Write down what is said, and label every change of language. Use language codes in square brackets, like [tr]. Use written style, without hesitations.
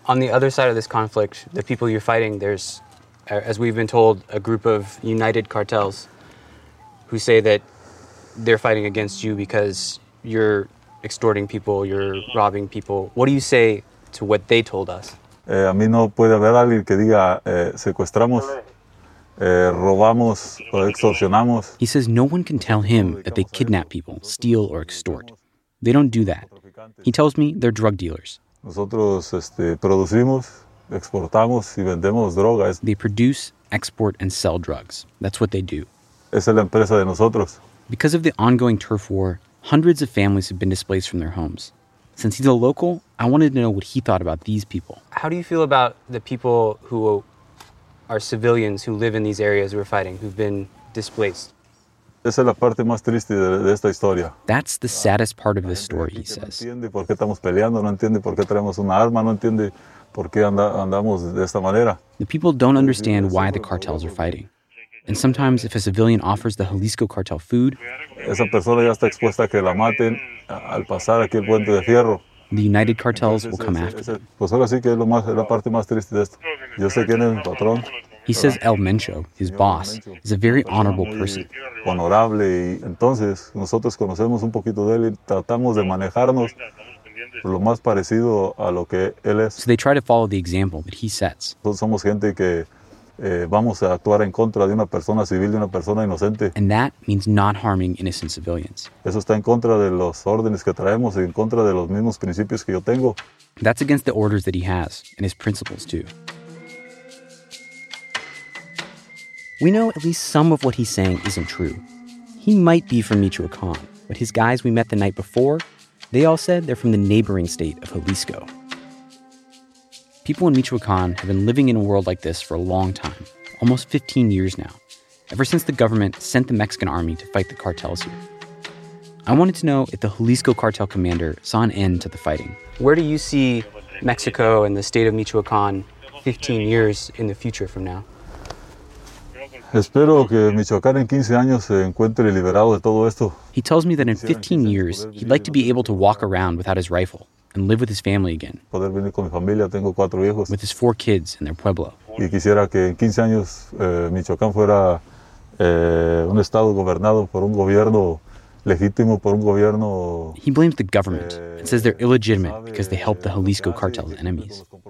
[en] On the other side of this conflict, the people you're fighting, there's, as we've been told, a group of United Cartels who say that they're fighting against you because you're extorting people, you're robbing people. What do you say to what they told us? [es] A mí no puede haber alguien que diga secuestramos, robamos, o extorsionamos. [en] He says no one can tell him that they kidnap people, steal, or extort. They don't do that. He tells me they're drug dealers. [es] Nosotros producimos, exportamos, y vendemos drogas. [en] They produce, export, and sell drugs. That's what they do. [es] Esa es la empresa de nosotros. [en] Because of the ongoing turf war, hundreds of families have been displaced from their homes. Since he's a local, I wanted to know what he thought about these people. How do you feel about the people who are civilians who live in these areas we're fighting, who've been displaced? [es] Esa es la parte más triste de esta historia. [en] That's the saddest part of this story, he says. [es] No entiende por qué estamos peleando, no entiende por qué traemos una arma, no entiende por qué andamos de esta manera. [en] The people don't understand why the cartels are fighting. And sometimes if a civilian offers the Jalisco cartel food, [es] esa persona ya está expuesta a que la maten al pasar aquí el puente de fierro. [en] The United Cartels will come after. [es] Pues ahora sí que es la parte más triste de esto. Yo sé quién es mi patrón. [en] He says El Mencho, his boss, is a very honorable person. [es] Honorable, y entonces nosotros conocemos un poquito de él y tratamos de manejarnos lo más parecido a lo que él es. [en] So they try to follow the example that he sets. [es] Nosotros somos gente que vamos a actuar en contra de una persona civil, de una persona inocente. [en] And that means not harming innocent civilians. [es] Eso está en contra de los órdenes que traemos, en contra de los mismos principios que yo tengo. [en] That's against the orders that he has, and his principles too. We know at least some of what he's saying isn't true. He might be from Michoacán, but his guys we met the night before, they all said they're from the neighboring state of Jalisco. People in Michoacán have been living in a world like this for a long time, almost 15 years now, ever since the government sent the Mexican army to fight the cartels here. I wanted to know if the Jalisco cartel commander saw an end to the fighting. Where do you see Mexico and the state of Michoacán 15 years in the future from now? [es] Espero que Michoacán en 15 años se encuentre liberado de todo esto. [en] He tells me that in 15 years, he'd like to be able to walk around without his rifle and live with his family again. [es] Poder venir con mi familia, tengo cuatro hijos. [en] With his four kids in their pueblo. [es] Y quisiera que en 15 años Michoacán fuera un estado gobernado por un gobierno legítimo, por un gobierno... [en] He blames the government and says they're illegitimate because they help the Jalisco cartel's enemies.